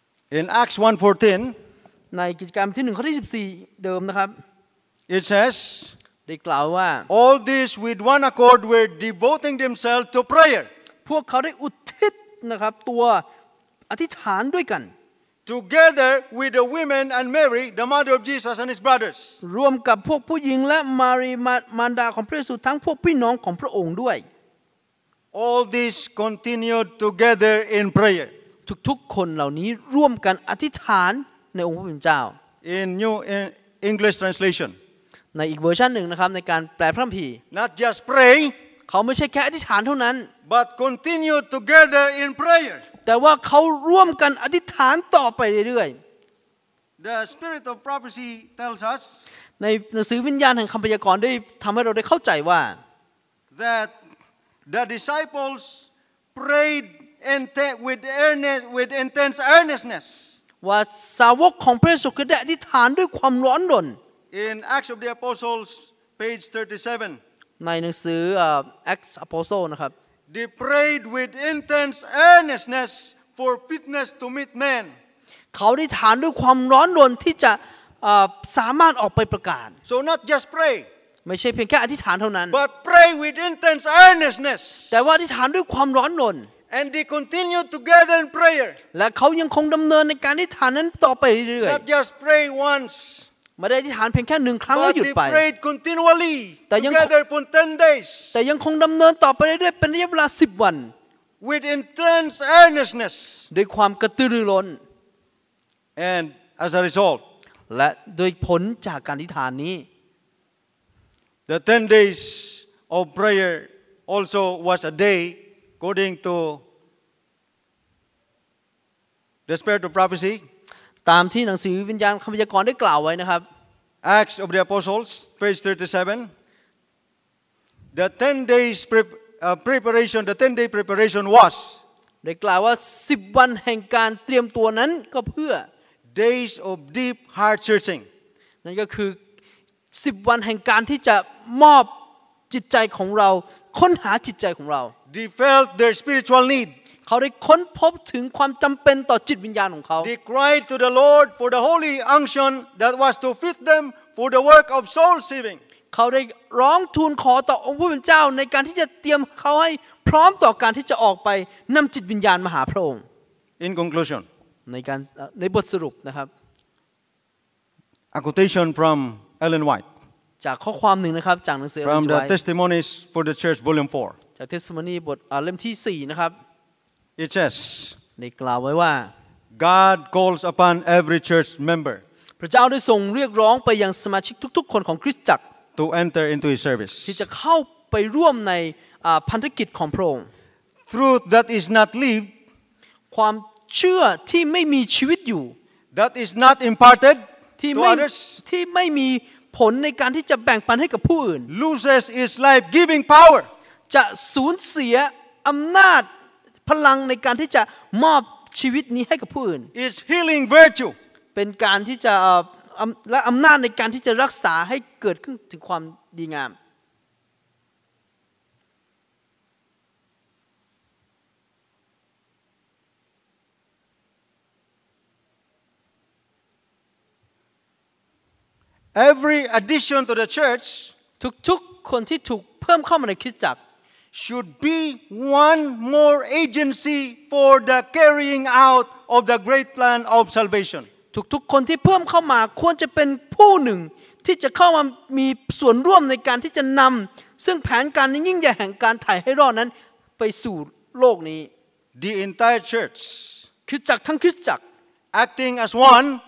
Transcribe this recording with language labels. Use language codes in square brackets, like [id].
[en] In Acts 1:14, [th] ในกิจกรรมที่1ข้อที่14เดิมนะครับ [en] It says [th] ได้กล่าวว่า [en] All these with one accord were devoting themselves to prayer [th] พวกเขาได้อุทิศนะครับตัวอธิษฐานด้วยกัน [en] Together with the women and Mary the mother of Jesus and his brothers [th] รวมกับพวกผู้หญิงและมารีมารดาของพระเยซูทั้งพวกพี่น้องของพระองค์ด้วย [en] All these continued together in prayer [th] ทุกๆคนเหล่านี้ร่วมกันอธิษฐานในองค์พระผู้เป็นเจ้า [en] In New English Translation [th] ในอีกเวอร์ชันหนึ่งนะครับในการแปลพระคัมภีร์ [en] Not just praying [th] เขาไม่ใช่แค่อธิษฐานเท่านั้น [en] But continued together in prayer [th] แต่ว่าเขาร่วมกันอธิษฐานต่อไปเรื่อย [en] The Spirit of Prophecy tells us [th] ในหนังสือวิญญาณแห่งคำพยากรณ์ได้ทำให้เราได้เข้าใจว่า [en] That the disciples prayedwith intense earnestness [th] ว่าสาวกของพระเยซูคริสต์ได้อธิษฐานด้วยความร้อนรน [en] In Acts of the Apostles page 37 [th] ในหนังสือActs Apostle นะครับ [en] They prayed with intense earnestness for fitness to meet men [th] เขาอธิษฐานด้วยความร้อนรนที่จะสามารถออกไปประกาศ [en] So not just pray [th] ไม่ใช่เพียงแค่อธิษฐานเท่านั้น [en] But pray with intense earnestness [th] แต่ว่าอธิษฐานด้วยความร้อนรน [en] And they continue together in prayer. [th] และเขายังคงดำเนินในการอธิษฐานนั้นต่อไปเรื่อย [en] Not just pray once. [th] ไม่ได้อธิษฐานเพียงแค่หนึ่งครั้งแล้วหยุดไป [en] But they prayed continually together for 10 days. [th] แต่ยังคงดำเนินต่อไปเรื่อยเป็นระยะเวลา10วัน [en] With intense earnestness. [th] ด้วยความกระตือรือร้น [en] And as a result. [th] และโดยผลจากการอธิษฐานนี้ [en] The 10 days of prayer also was a day. According to the spirit of prophecy, [th] ตามที่หนังสือวิญญาณคำพยากรณ์ได้กล่าวไว้นะครับ [en] Acts of the Apostles, page 37. The 10 days preparation, the 10 day preparation was. [th] ได้กล่าวว่า10วันแห่งการเตรียมตัวนั้นก็เพื่อ [en] days of deep heart searching. [th] นั่นก็คือ10วันแห่งการที่จะมอบจิตใจของเราค้นหาจิตใจของเรา [en] They felt their spiritual need. [th] เขาได้ค้นพบถึงความจำเป็นต่อจิตวิญญาณของเขา [en] They cried to the Lord for the holy unction that was to fit them for the work of soul saving. [th] เขาได้ร้องทูลขอต่อองค์ผู้เป็นเจ้าในการที่จะเตรียมเขาให้พร้อมต่อการที่จะออกไปนำจิตวิญญาณมาหาพระองค์ [en] In conclusion, [th] ในบทสรุปนะครับ [en] A quotation from Ellen White. [th] จากข้อความหนึ่งนะครับจากหนังสือ [en] From the Testimonies for the Church, Volume 4. [th] จากเทศมนีบทเล่มที่4นะครับ [en] It says [th] ได้กล่าวไว้ว่า [en] God calls upon every church member [th] พระเจ้าได้ทรงเรียกร้องไปยังสมาชิกทุกๆคนของคริสตจักร [en] to enter into his service [th] ที่จะเข้าไปร่วมในพันธกิจของพระองค์ [en] Truth that is not lived [th] ความเชื่อที่ไม่มีชีวิตอยู่ [en] that is not imparted to others [th] ที่ไม่มีผลในการที่จะแบ่งปันให้กับผู้อื่น [en] loses its life-giving power [th] จะสูญเสียอำนาจพลังในการที่จะมอบชีวิตนี้ให้กับผู้อื่น [en] It's healing virtue [th] เป็นการที่จะและอำนาจในการที่จะรักษาให้เกิดขึ้นถึงความดีงาม [en] Every addition to the church [th] ทุกๆคนที่ถูกเพิ่มเข้ามาในคริสตจักร [en] Should be one more agency for the carrying out of the great plan of salvation. [th] ทุกๆคนที่เพิ่มเข้ามาควรจะเป็นผู้หนึ่งที่จะเข้ามามีส่วนร่วมในการที่จะนำซึ่งแผนการยิ่งใหญ่แห่งการไถ่ให้รอดนั้นไปสู่โลกนี้ [en] The entire church, [th] คริสตจักรทั้งคริสตจักร [en] acting as one,